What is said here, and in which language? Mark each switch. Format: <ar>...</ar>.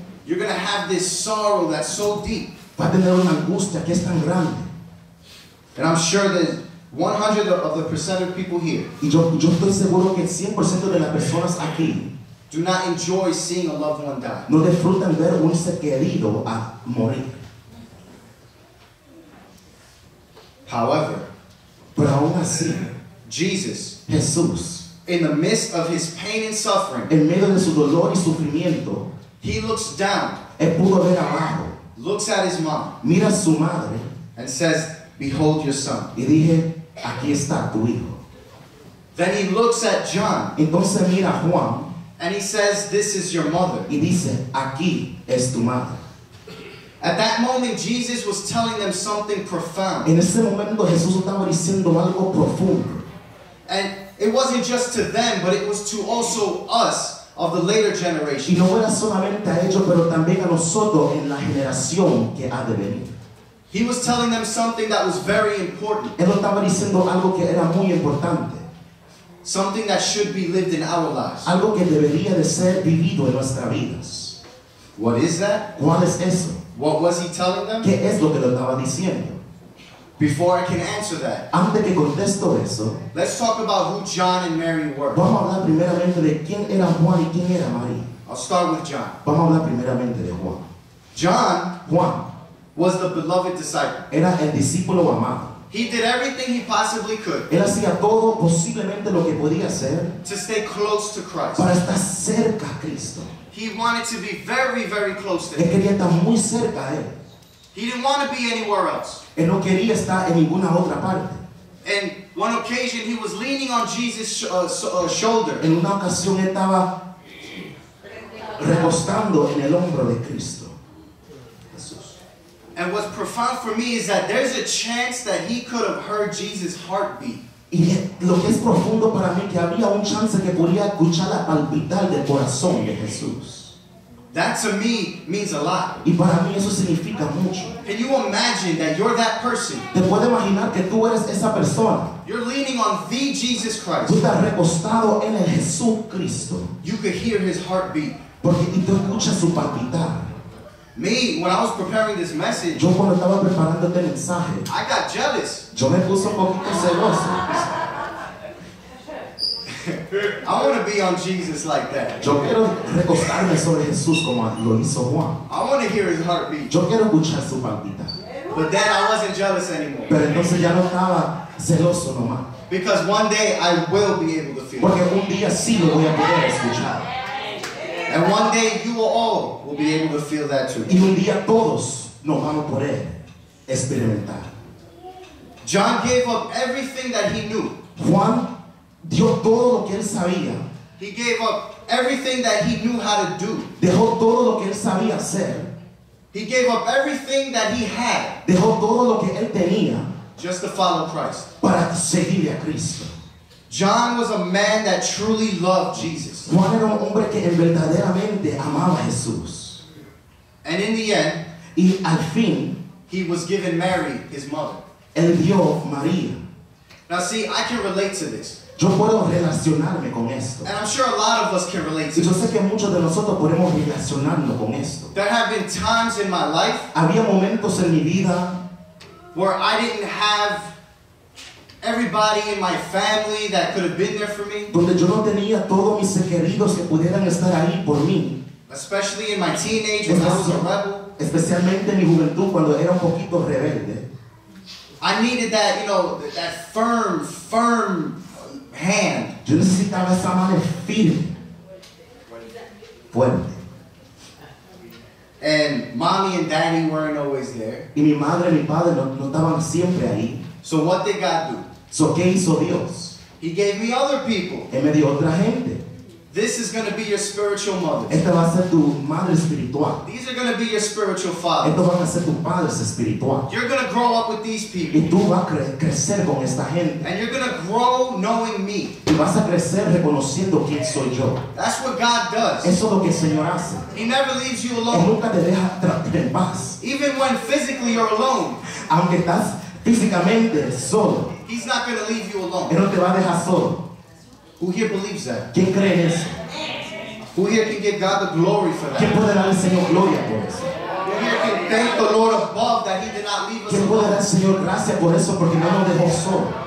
<en>You're going to have this sorrow that's so deep.</en> <es>Va a tener una angustia que es tan grande.</es> <en>And I'm sure that 100 of the percent of people here.</en> <es>Y yo estoy seguro que 100% de las personas aquí.</es> <en>Do not enjoy seeing a loved one die.</en> <es>No disfrutan ver un ser querido a morir.</es> <en>However,</en> <es>pero aún así,</es> <en>Jesus,</en> <es>Jesús,</es> <en>in the midst of his pain and suffering,</en> <es>en medio de su dolor y sufrimiento,</es> <en>he looks down,</en> <es>él pudo ver abajo,</es> <en>looks at his mom,</en> <es>mira su madre,</es> <en>and says, "Behold your son."</en> <es>Y dije, aquí está tu hijo.</es> <en>Then he looks at John,</en> <es>entonces mira a Juan,</es> <en>and he says, "This is your mother."</en> <es>Y dice, aquí es tu madre.</es> <en>At that moment, Jesus was telling them something profound.</en> <es>En ese momento, Jesús estaba diciendo algo profundo.</es> <en>And it wasn't just to them, but it was to also us of the later generation.</en> <es>Y no era solamente a ellos, pero también a nosotros en la generación que ha de venir.</es> <en>He was telling them something that was very important.</en> <es>Él estaba diciendo algo que era muy importante.</es> <en>Something that should be lived in our lives.</en> <es>Algo que debería de ser vivido en nuestras vidas.</es> <en>What is that?</en> <es>¿Cuál es eso?</es> <en>What was he telling them?</en> <es>¿Qué es lo que lo estaba diciendo?</es> <en>Before I can answer that,</en> <es>antes que contesto eso,</es> <en>let's talk about who John and Mary were.</en> <es>Vamos a hablar primeramente de quién era Juan y quién era María.</es> <en>I'll start with John.</en> <es>Vamos a hablar primeramente de Juan.</es> <en>John</en> <es>Juan</es> <en>was the beloved disciple.</en> <es>Era el discípulo amado.</es> <en>He did everything he possibly could.</en> <es>Él hacía todo posiblemente lo que podía hacer.</es> <en>To stay close to Christ.</en> <es>Para estar cerca a Cristo.</es> <en>He wanted to be very, very close to him.</en> <es>Él quería estar muy cerca a él.</es> <en>He didn't want to be anywhere else.</en> <es>Él no quería estar en ninguna otra parte.</es> <en>And one occasion he was leaning on Jesus' shoulder.</en> <es>En una ocasión estaba recostando en el hombro de Cristo.</es> <en>And what's profound for me is that there's a chance that he could have heard Jesus' heartbeat.</en> <es>Y lo que es profundo para mí que había un chance que podía escuchar la palpitar del corazón de Jesús.</es> <en>That to me means a lot.</en> <es>Y para mí eso significa mucho.</es> <en>Can you imagine that you're that person?</en> <es>¿Te puedes imaginar que tú eres esa persona?</es> <en>You're leaning on the Jesus Christ.</en> <es>Tú estás recostado en el Jesús Cristo.</es> <en>You could hear his heartbeat.</en> <es>Porque tú escuchas su palpitar.</es> <en>Me, when I was preparing this message,</en> <es>yo cuando estaba preparando este mensaje,</es> <en>I got jealous.</en> <es>Yo me puse un poquito celoso.</es> <en>I want to be on Jesus like that.</en> <es>Yo quiero recostarme sobre Jesús como lo hizo Juan.</es> <en>I want to hear his heartbeat.</en> <es>Yo quiero escuchar su palpita.</es> <en>But then I wasn't jealous anymore.</en> <es>Pero entonces ya no estaba celoso nomás.</es> <en>Because one day I will be able to feel.</en> <es>Porque un día sí lo voy a poder escuchar.</es> <en>And one day you all will be able to feel that too.</en> <es>Y un día todos nos vamos a poder experimentar.</es> <en>John gave up everything that he knew.</en> <es>Juan dio todo lo que él sabía.</es> <en>He gave up everything that he knew how to do.</en> <es>Dejó todo lo que él sabía hacer.</es> <en>He gave up everything that he had.</en> <es>Dejó todo lo que él tenía.</es> <en>Just to follow Christ.</en> <es>Para seguirle a Cristo.</es> <en>John was a man that truly loved Jesus.</en> <es>Juan era un hombre que verdaderamente amaba a Jesús.</es> <en>And in the end,</en> <es>y al fin,</es> <en>he was given Mary, his mother.</en> <es>Él dio María.</es> <en>Now see, I can relate to this.</en> <es>Yo puedo relacionarme con esto.</es> <en>And I'm sure a lot of us can relate to this.</en> <es>Yo sé que muchos de nosotros podemos relacionarnos con esto.</es> <en>There have been times in my life,</en> <es>había momentos en mi vida,</es> <en>where I didn't have everybody in my family that could have been there for me.</en> <es>Donde yo no tenía todos mis queridos que pudieran estar ahí por mí.</es> <en>Especially in my teenage when I was a rebel.</en> <es>Especialmente en mi juventud cuando era un poquito rebelde.</es> <en>I needed that, you know, that firm hand.</en> <es>Yo necesitaba esa mano firme. Fuerte.</es> <en>And mommy and daddy weren't always there.</en> <es>Y mi madre y mi padre no estaban siempre ahí.</es> <en>So what did God do? So,</en> <es>¿qué hizo Dios?</es> <en>He gave me other people.</en> <es>Él me dio otra gente.</es> <en>This is going to be your spiritual mother.</en> <es>Esta va a ser tu madre espiritual.</es> <en>These are going to be your spiritual fathers.</en> <es>Estos van a ser tus padres espirituales.</es> <en>You're going to grow up with these people.</en> <es>Y tú vas a crecer con esta gente.</es> <en>And you're going to grow knowing me.</en> <es>Y vas a crecer reconociendo quién soy yo.</es> <en>That's what God does.</en> <es>Eso es lo que el Señor hace.</es> <en>He never leaves you alone.</en> <es>Él nunca te deja en paz.</es> <en>Even when physically you're alone.</en> <es>Aunque estás físicamente solo.</es> <en>He's not going to leave you alone.</en> <es>Él no te va a dejar solo.</es> <en>Who here believes that?</en> <es>¿Quién cree en eso?</es> <en>Who here can give God the glory for that?</en> <es>¿Quién puede dar al Señor gloria por eso?</es> <en>Who here can thank the Lord above that he did not leave us alone?</en> <es>¿Quién puede dar al Señor gracias por eso porque no nos dejó solo?</es>